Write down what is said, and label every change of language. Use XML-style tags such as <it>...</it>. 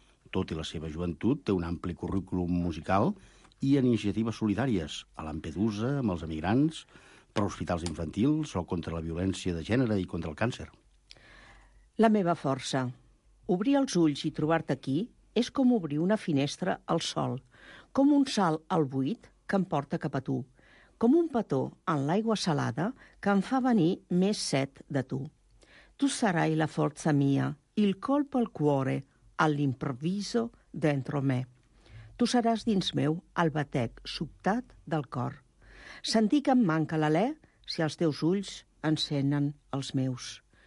<ca>Tot i la seva joventut, té un ampli currículum musical i en iniciatives solidàries, a Lampedusa, amb els emigrants, per hospitals infantils o contra la violència de gènere i contra el càncer. La meva força. Obrir els ulls i trobar-te aquí és com obrir una finestra al sol, com un salt al buit que em porta cap a tu, com un petó en l'aigua salada que em fa venir més set de tu.</ca> <it>Tu serai la força mia, il colpo al cuore, all'improvviso dentro me.</it> <ca>Tu seràs dins meu el batec sobtat del cor. Sentir que em manca l'alè si els teus ulls encenen els meus.</ca>